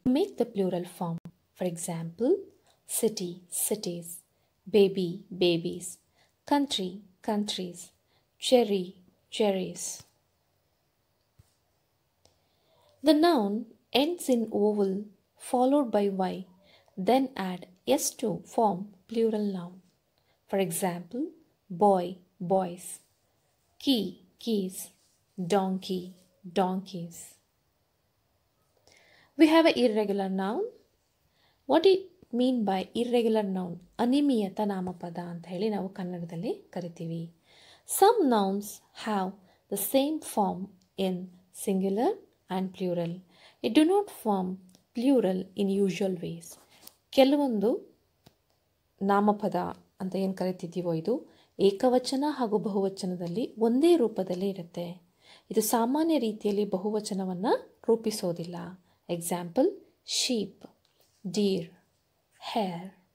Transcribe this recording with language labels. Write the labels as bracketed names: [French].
[English] Make the plural form. For example, city, cities, baby, babies, country, countries, cherry, cherries. The noun ends in vowel followed by y, then add S to form plural noun. For example, boy, boys, key, keys, donkey, donkeys. We have an irregular noun. What do you mean by irregular noun? [Kannada] Animiyata namapada anta heli navu kannadadalli karitivi. [English] Some nouns have the same form in singular and plural. It do not form plural in usual ways. [Kannada] Kelavondu namapada anta yen karitidivo idu ಏಕವಚನ ಹಾಗೂ ಬಹುವಚನದಲ್ಲಿ ಒಂದೇ ರೂಪದಲ್ಲಿ ಇರುತ್ತೆ. ಇದು ಸಾಮಾನ್ಯ ರೀತಿಯಲ್ಲಿ ಬಹುವಚನವನ್ನು ರೂಪಿಸೋದಿಲ್ಲ. [English] Example, sheep, deer, hair.